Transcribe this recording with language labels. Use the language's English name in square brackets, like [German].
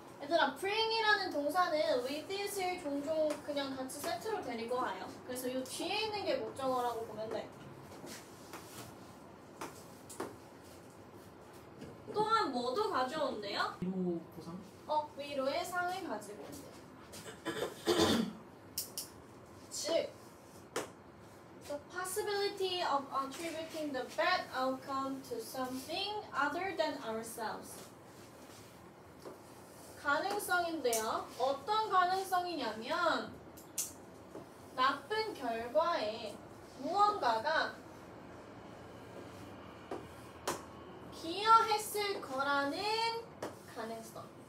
[Korean] 얘들아, bring이라는 동사는 with it을 종종 그냥 같이 세트로 데리고 와요. 그래서 이 뒤에 있는 게 목적어라고 보면 돼. 또한 뭐도 가져온대요? 위로 보상? 위로의 상을 가지고 온대요. 즉, [English] the possibility of attributing the bad outcome to something other than ourselves. [Korean] 가능성인데요. 어떤 가능성이냐면 나쁜 결과에 무언가가 기여했을 거라는 가능성.